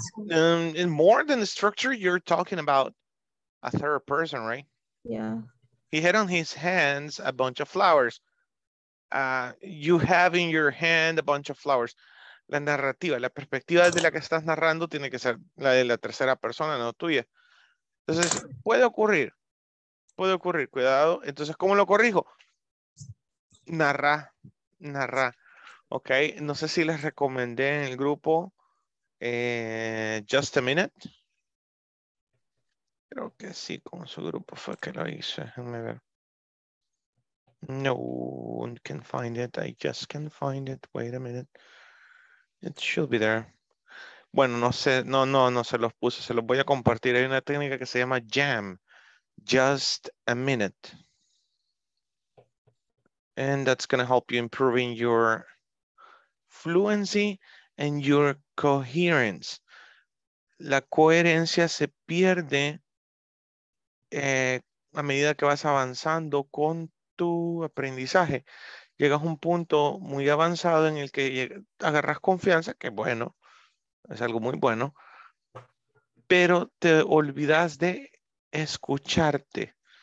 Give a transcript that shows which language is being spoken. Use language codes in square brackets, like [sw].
[en] And more than the structure, you're talking about a third person, right? Yeah. He had on his hands a bunch of flowers. You have in your hand a bunch of flowers. [es] La narrativa, la perspectiva de la que estás narrando tiene que ser la de la tercera persona, no tuya. Entonces, puede ocurrir. Puede ocurrir, cuidado. Entonces, ¿cómo lo corrijo? Narra. Ok, no sé si les recomendé en el grupo Just a Minute. Creo que sí, con su grupo fue que lo hice. Déjenme ver. No, [en] I can't find it. Wait a minute. It should be there. [es] Bueno, no sé, no se los puse, se los voy a compartir. Hay una técnica que se llama jam. Just a minute. [en] And that's going to help you improving your fluency and your coherence. [es] La coherencia se pierde a medida que vas avanzando con tu aprendizaje. Llegas a un punto muy avanzado en el que agarras confianza, que bueno, es algo muy bueno, pero te olvidas de escucharte.